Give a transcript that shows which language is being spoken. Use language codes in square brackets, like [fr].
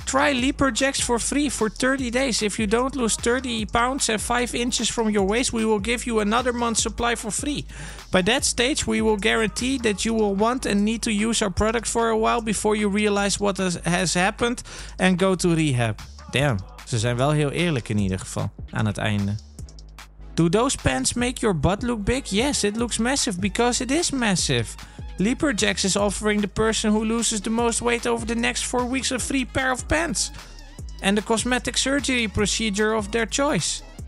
[en] Try Lipurgix for free for 30 days. If you don't lose 30 pounds and 5 inches from your waist, we will give you another month's supply for free. By that stage, we will guarantee that you will want and need to use our product for a while before you realize what has happened and go to rehab. [nl] Damn, ze zijn wel heel eerlijk in ieder geval aan het einde. [en] Do those pants make your butt look big? Yes, it looks massive because it is massive. Lipurgix is offering the person who loses the most weight over the next 4 weeks a free pair of pants. And the cosmetic surgery procedure of their choice.